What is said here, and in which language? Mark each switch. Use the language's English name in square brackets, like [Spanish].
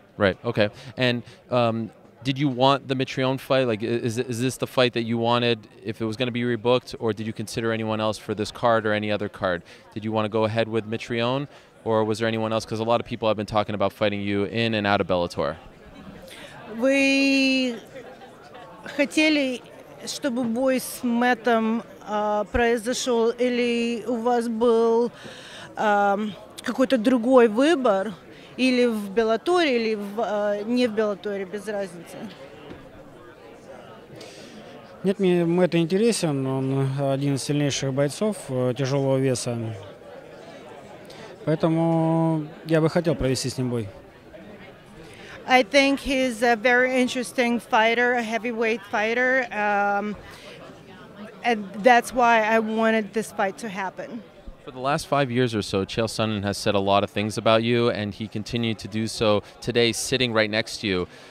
[English] Right. Okay. And did you want the Mitrione fight? Like, is this the fight that you wanted if it was going to be rebooked, or did you consider anyone else for this card or any other card? Did you want to go ahead with Mitrione, or was there anyone else? Because a lot of people have been talking about fighting you in and out of Bellator. [Russian] Вы хотели, чтобы бой с Мэттом произошел, или у вас был какой-то другой выбор, или в Беллаторе, или не в Беллаторе, без разницы? Нет, мне Мэтт интересен, он один из сильнейших бойцов тяжелого веса, поэтому я бы хотел провести с ним бой. [English] I think he's a very interesting fighter, a heavyweight fighter, and that's why I wanted this fight to happen. For the last 5 years or so, Chael Sonnen has said a lot of things about you, and he continued to do so today, sitting right next to you.